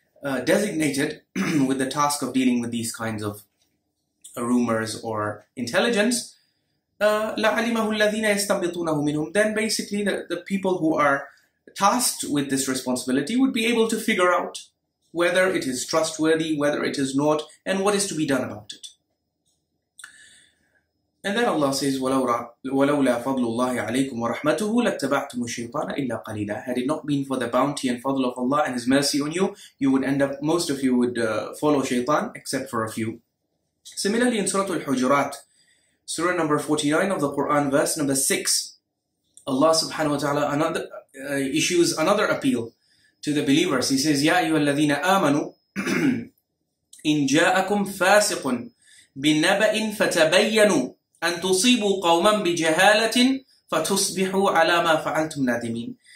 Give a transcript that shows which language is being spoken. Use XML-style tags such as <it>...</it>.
<en>designated with the task of dealing with these kinds of rumors or intelligence,</en> <ar>لَعَلِمَهُ الَّذِينَ يَسْتَنْبِطُونَهُ مِنْهُمْ,</ar> <en>then basically the people who are tasked with this responsibility would be able to figure out whether it is trustworthy, whether it is not, and what is to be done about it. And then Allah says,</en> <ar>وَلَوْلَا فَضْلُ اللَّهِ عَلَيْكُمْ وَرَحْمَتُهُ لَاتَّبَعْتُمُ الشَّيْطَانَ إِلَّا قَلِيلًا.</ar> <en>Had it not been for the bounty and fadl of Allah and His mercy on you, you would end up, most of you would follow shaytan, except for a few. Similarly, in Surah Al-Hujurat, Surah number 49 of the Quran, verse number 6, Allah subhanahu wa ta'ala issues another appeal to the believers. He says,</en> <ar>يَا أَيُّهَا الَّذِينَ آمَنُوا إِن جَاءَكُمْ فَاسِقٌ بِالنَّبَإٍ فَتَبَيَّنُوا أَن تُصِيبُوا قَوْمًا بِجَهَالَةٍ فَتُصْبِحُوا عَلَى مَا فَعَلْتُمْ نَادِمِينَ.</ar>